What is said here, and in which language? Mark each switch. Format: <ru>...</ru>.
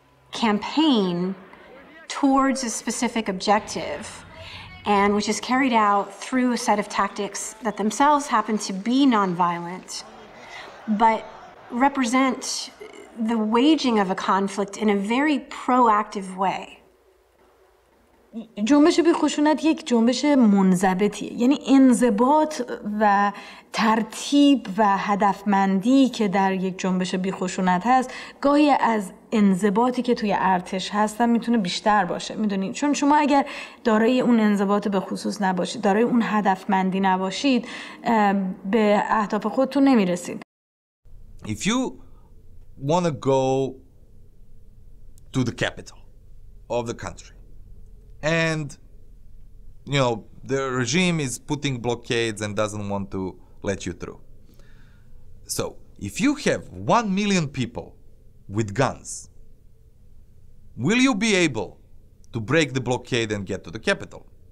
<en>campaign towards a specific objective, and which is carried out through a set of tactics that themselves happen to be nonviolent, but represent the waging of a conflict in a very proactive way.</en> <fa>جنبش بی خشونت یک جنبش منضبطیه. یعنی انضباط و ترتیب و هدفمندی که در یک جنبش بی خشونت هست، گاهی از انضباطی که توی ارتش هستن میتونه بیشتر باشه. میدونید؟ چون شما اگر دارای اون انضباط به خصوص نباشید، دارای اون هدفمندی نباشید، به اهداف خودتون نمیرسید.</fa> <en>If you want to go to the capital of the country, and you know the regime is putting blockades and doesn't want to let you through. So if you have 1 million people with guns, will you be able to break the blockade and get to the capital?</en>